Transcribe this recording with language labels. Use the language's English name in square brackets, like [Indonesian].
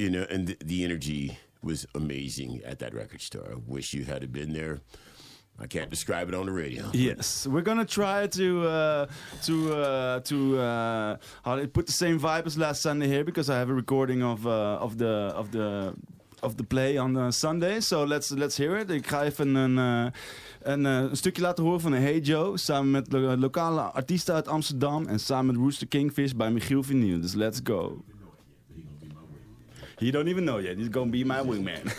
[English] And the energy was amazing at that record store. I wish you had been there. I can't describe it on the radio. Yes, we're gonna try to put the same vibe as last Sunday here because I have a recording of the play on the Sunday. So let's hear it. [Dutch] Ik ga even een stukje laten horen van de Hey Joe samen met lokale artiesten uit Amsterdam en samen met Rooster Kingfish bij Michiel Vinil. [English] Dus let's go. He don't even know yet. He's gonna be my wingman.